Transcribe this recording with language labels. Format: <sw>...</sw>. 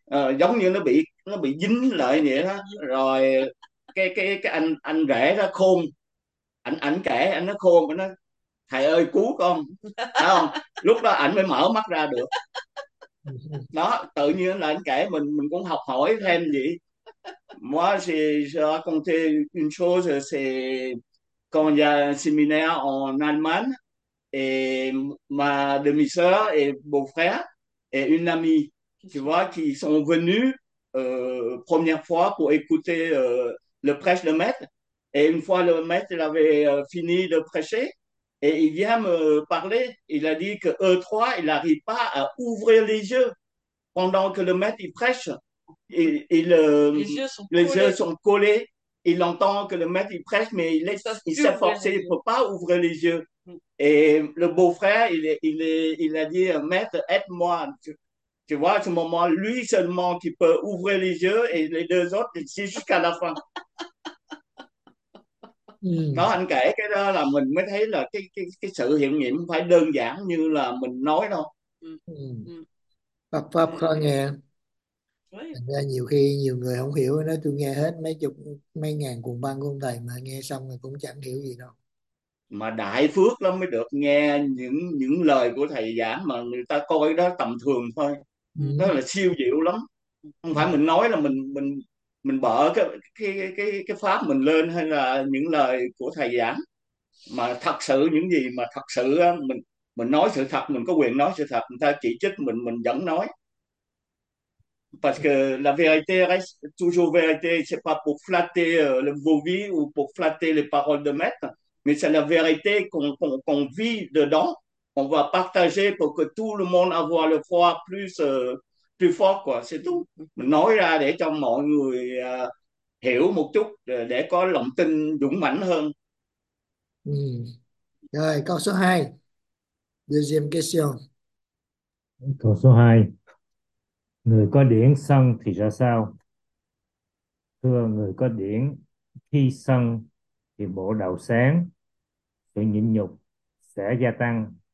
<vi>giống như nó bị dính lại vậy đó. Rồi cái anh rể đó khôn, anh kể anh nó khôn, anh nói thầy ơi cứu con, phải không, lúc đó anh mới mở mắt ra được đó. Tự nhiên là anh kể mình cũng học hỏi thêm gì.</vi> <fr>Moi j'ai raconté une chose, c'est quand il y a un séminaire en Allemagne et ma demi-sœur et beau-frère et une amie, tu vois, qui sont venus première fois pour écouter le prêche le maître. Et une fois le maître il avait fini de prêcher et il vient me parler. Il a dit que eux trois, ils n'arrivent pas à ouvrir les yeux pendant que le maître il prêche. Les yeux sont les collés. Yeux sont collés. Il entend que le maître il prêche, mais il s'est forcé, il ne peut pas ouvrir les yeux. Et le beau-frère, il a dit, maître, aide-moi. Tu vois, à ce moment, lui seulement qui peut ouvrir les yeux et les deux autres, c'est jusqu'à la fin.</fr> <vi>Nó anh kể cái đó là mình mới thấy là cái sự hiện diện phải đơn giản như là mình nói đâu. Pháp pháp khó nghe. Thành ra nhiều khi nhiều người không hiểu, nói tôi nghe hết mấy chục mấy ngàn cuộc băng của ông thầy mà nghe xong rồi cũng chẳng hiểu gì đâu. Mà đại phước lắm mới được nghe những lời của thầy giảng mà người ta coi đó tầm thường thôi. Đó là siêu diệu lắm. Không phải mình nói là mình bỏ cái pháp mình lên hay là những lời của thầy giảng, mà thật sự những gì mà thật sự mình nói sự thật, mình có quyền nói sự thật, người ta chỉ trích mình vẫn nói.</vi> <fr>Parce que la vérité reste toujours vérité, c'est pas pour flatter le vovi ou pour flatter les paroles de maître, mais c'est la vérité qu'on vit dedans, on va partager pour que tout le monde avoir le foi plus plus fort quoi, c'est tout.</fr> <vi>Mình nói ra để cho mọi người hiểu một chút, để có lòng tin dũng mãnh hơn. Rồi câu số 2.</vi> <fr>Deuxième question.</fr> <vi>Câu số 2. Người có điển sân thì ra sao? Thưa người có điển, khi sân thì bộ đầu sáng, sự nhịn nhục sẽ gia tăng,</vi>